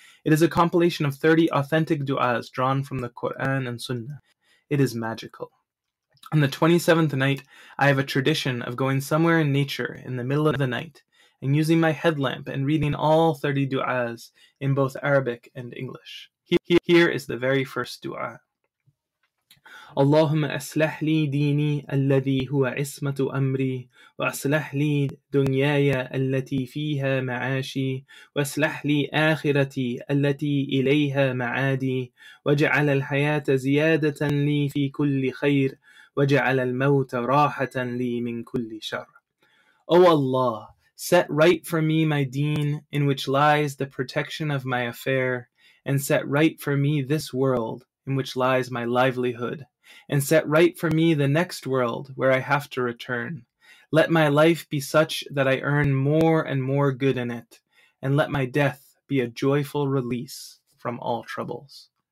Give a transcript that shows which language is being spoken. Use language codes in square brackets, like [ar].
[en] It is a compilation of 30 authentic du'as drawn from the Quran and Sunnah. It is magical. On the 27th night, I have a tradition of going somewhere in nature in the middle of the night and using my headlamp and reading all 30 du'as in both Arabic and English. Here is the very first du'a. [ar] اللهم أصلح لي ديني الذي هو عصمة أمري وأصلح لي دنياي التي فيها معاشي وأصلح لي آخرتي التي إليها معادي وجعل الحياة زيادة لي في كل خير وجعل الموت راحة لي من كل شر. [en] O Allah, set right for me my deen in which lies the protection of my affair, and set right for me this world in which lies my livelihood, and set right for me the next world where I have to return. Let my life be such that I earn more and more good in it, and let my death be a joyful release from all troubles.